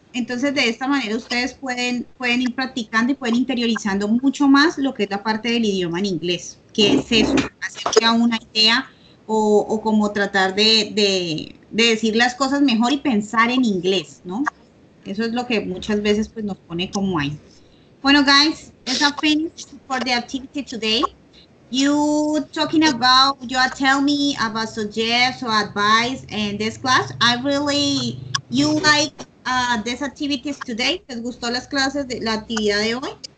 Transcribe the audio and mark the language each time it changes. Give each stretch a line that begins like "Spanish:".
Spanish: Entonces, de esta manera, ustedes pueden ir practicando y pueden interiorizando mucho más lo que es la parte del idioma en inglés, que es eso, hacerse a una idea o como tratar de decir las cosas mejor y pensar en inglés, ¿no? Eso es lo que muchas veces pues, nos pone como ahí.
English: Bueno, guys, it's a finish for the activity today. You talking about, you are telling me about suggest or advice in this class. I really, you like... these activities today.
Spanish: ¿Les gustó las clases de la actividad de hoy?